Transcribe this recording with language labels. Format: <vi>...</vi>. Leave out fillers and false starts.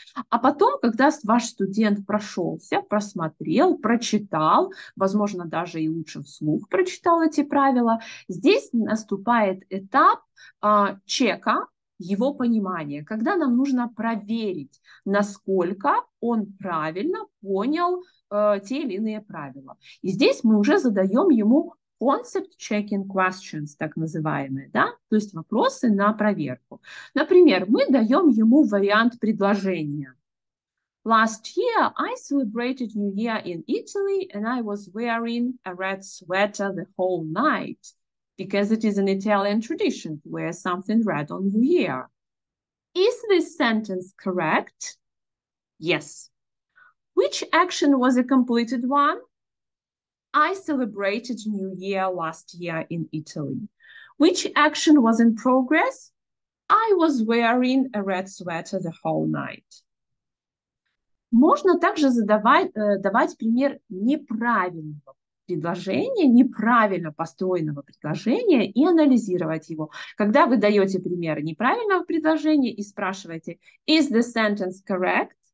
<ru>А потом, когда ваш студент прошелся, просмотрел, прочитал, возможно, даже и лучше вслух прочитал эти правила, здесь наступает этап чека его понимания, когда нам нужно проверить, насколько он правильно понял те или иные правила. И здесь мы уже задаем ему concept checking questions, так называемые, да, то есть вопросы на проверку. Например, мы даем ему вариант предложения.</ru> <en>Last year I celebrated New Year in Italy and I was wearing a red sweater the whole night, because it is an Italian tradition to wear something red on New Year. Is this sentence correct? Yes. Which action was a completed one? I celebrated New Year last year in Italy. Which action was in progress? I was wearing a red sweater the whole night.</en> <ru>Можно также давать пример неправильного предложения, неправильно построенного предложения и анализировать его. Когда вы даете пример неправильного предложения и спрашиваете, is the sentence correct?</ru>